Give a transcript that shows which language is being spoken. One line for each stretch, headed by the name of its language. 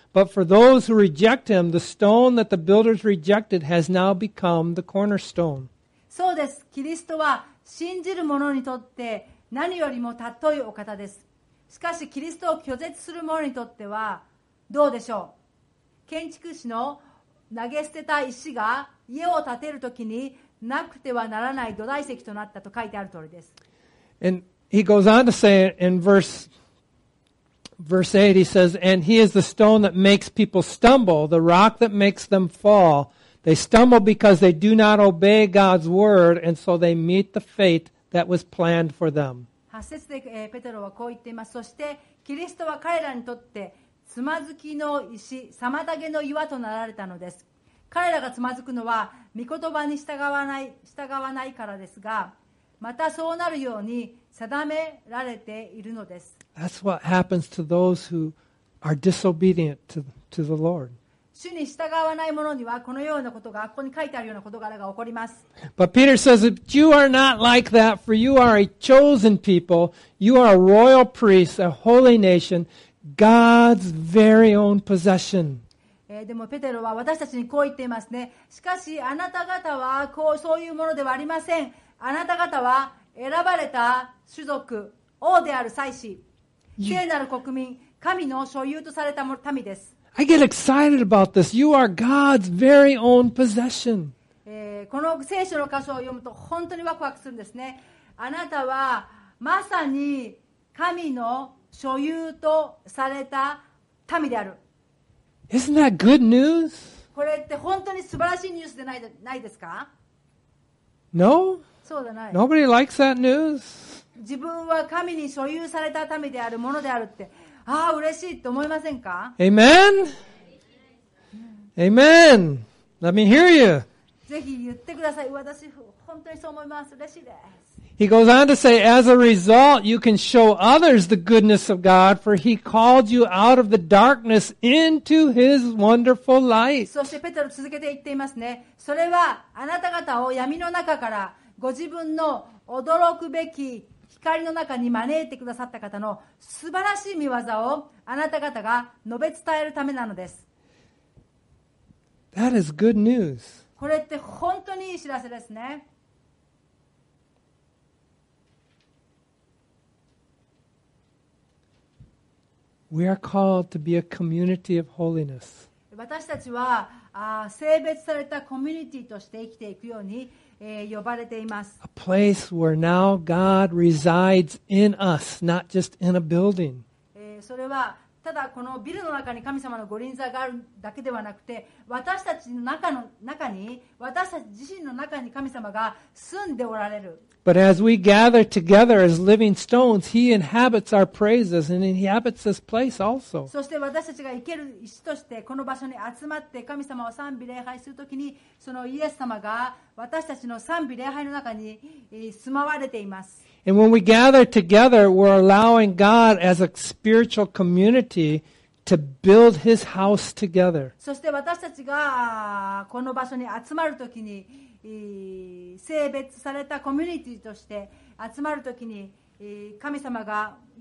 English: But for those who reject him, the stone that the builders rejected has now become the cornerstone.
Japanese: そうです。キリストは信じる者にとって何よりも尊いお方です。しかしキリストを拒絶する者にとってはどうでしょう? 建築士の投げ捨てた石が家を建てるときになくてはならない土台石となったと書いてある通りです。
English: And he goes on to say in verse 8, he says, And he is the stone that makes people stumble, the rock that makes them fall. They stumble because they do not obey God's word, and so they meet the fate that was planned for them.
Japanese: 8節でペテロはこう言っています。そしてキリストは彼らにとってつまずきの石、妨げの岩となられたのです。彼らがつまずくのは、御言葉に従わないからですが、またそうなるように定められているのです。
English: That's what happens to those who are disobedient to the Lord.
Japanese: 主に従わない者には、このようなことが、ここに書いてあるような事柄が起こります。
English: But Peter says, You are not like that, for you are a chosen people, you are a royal priest, a holy nation. God's very own possession.
Japanese: でもペテロは私たちにこう言っていますね。しかしあなた方はこうそういうものではありません。あなた方は選ばれた種族、王である祭司、聖なる国民、神の所有とされた民です。
English: I get excited about this. You are God's very own possession.
Japanese: この聖書の箇所を読むと本当にワクワクするんですね。あなたはまさに神の所有とされた民である。
English: Isn't that good news?
Japanese: これって本当に素晴らしいニュースでないですか?
English: No?
Japanese: そうじゃない。
English: Nobody likes that news.
Japanese: 自分は神に所有された民であるものであるって、ああ、嬉しいと思いませんか?
English: Amen? Amen? Let me hear you.
Japanese: ぜひ言ってください。私、本当にそう思います。嬉しいです。
English: He goes on to say, as a result, you can show others the goodness of God, for he called you out of the darkness into his wonderful light.
Japanese: そしてペテロ続けて言っていますね。それはあなた方を闇の中からご自分の驚くべき光の中に招いてくださった方の素晴らしい御業をあなた方が述べ伝えるためなのです。
English: That is good news.
Japanese: これって本当にいい知らせですね。
English: We are called to be a community of holiness.
Japanese: 私たちは聖別されたコミュニティとして生きていくように呼ばれています。
English: A place where now God resides in us, not just in a building.
Japanese: それはただこのビルの中に神様の御臨在があるだけではなくて、私たちの中に、私たち自身の中に神様が住んでおられる。
English: But as we gather together as living stones, He inhabits our praises and He inhabits this place also.
Japanese: そして私たちが生ける石としてこの場所に集まって神様を賛美礼拝するときに、そのイエス様が私たちの賛美礼拝の中に住まわれています。
English: And when we gather together, we're allowing God as a spiritual community to build His house together.
Japanese: そして私たちがこの場所に集まるときに、聖別されたコミュニティとして集まるときに、神様が